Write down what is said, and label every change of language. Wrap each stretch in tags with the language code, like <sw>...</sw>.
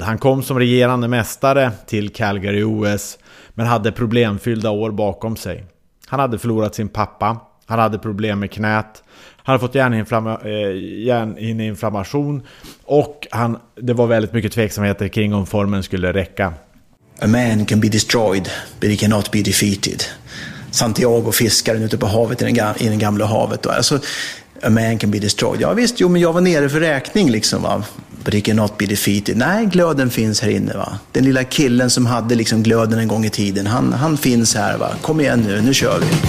<sv>Han kom som regerande mästare till Calgary OS men hade problemfyllda år bakom sig. Han hade förlorat sin pappa. Han hade problem med knät. Han hade fått hjärninflammation och det var väldigt mycket tveksamheter kring om formen skulle räcka.</sv> <en>A man can be destroyed, but he cannot be defeated.</en> <sv>Santiago fiskaren ute på havet i den gamla havet. Då. Alltså,</sv> <en>a man can be destroyed.</en> <sv>Ja visst, jo, men jag var nere för räkning liksom, va?</sv> <en>But he cannot be defeated.</en> <sv>Nej, glöden finns här inne, va? Den lilla killen som hade liksom glöden en gång i tiden, han finns här, va? Kom igen nu kör vi.</sv>